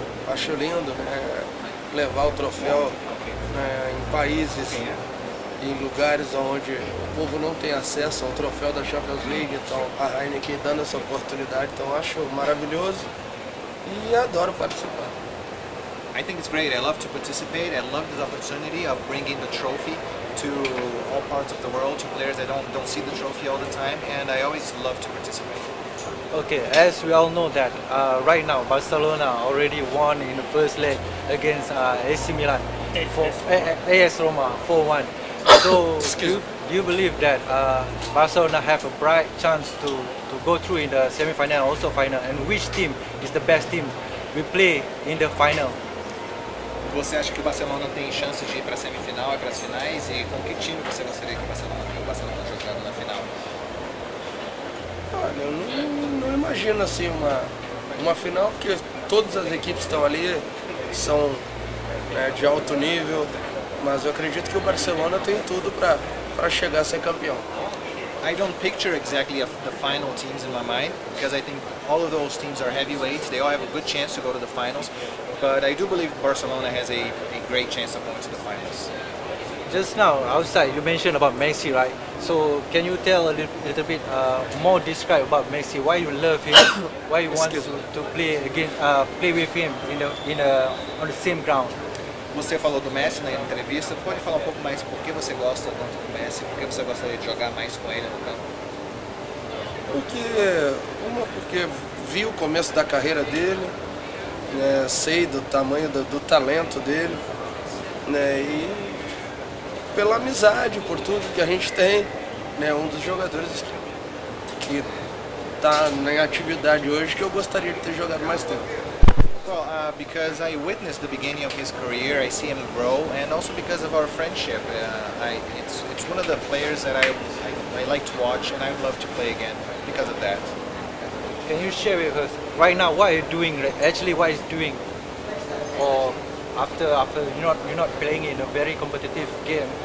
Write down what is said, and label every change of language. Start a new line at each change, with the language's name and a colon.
Portuguese: Acho lindo, né, levar o troféu, né, em países, em lugares onde o povo não tem acesso ao troféu da Champions League. Então, a Heineken dando essa oportunidade, então acho maravilhoso e adoro participar.
English: I think it's great. I love to participate. I love this opportunity of bringing the trophy to all parts of the world, to players that don't see the trophy all the time, and I always love to participate. Okay, as we all know that right now Barcelona already won in the first leg against AC Milan, AS Roma 4-1. So do you believe that Barcelona have a bright chance to go through in the semi-final, also final? And which team is the best team we play in the final?
Portuguese: Você acha que o Barcelona tem chance de ir para a semifinal e para as finais? E com que time você gostaria que o Barcelona jogasse na final? Olha, eu não imagino assim uma final, porque todas as equipes estão ali, são, né, de alto nível, mas eu acredito que o Barcelona tem tudo para chegar a ser campeão.
English: I don't picture exactly the final teams in my mind, because I think all of those teams are heavyweights, they all have a good chance to go to the finals, but I do believe Barcelona has a great chance of going to the finals. Just now, outside, you mentioned about Messi, right? So, can you tell a little bit more, describe about Messi, why you love him, why you want to play again, play with him on the same ground?
Portuguese: Você falou do Messi na entrevista, pode falar um pouco mais por que você gosta tanto do Messi, por que você gostaria de jogar mais com ele no campo? Porque vi o começo da carreira dele, né, sei do tamanho do talento dele, né, e pela amizade, por tudo que a gente tem, né, um dos jogadores que está em atividade hoje que eu gostaria de ter jogado mais tempo.
English: Well, because I witnessed the beginning of his career, I see him grow, and also because of our friendship, it's one of the players that I like to watch, and I would love to play again because of that. Can you share with us right now what you're doing? Actually, what he's doing, or after you're not playing in a very competitive game.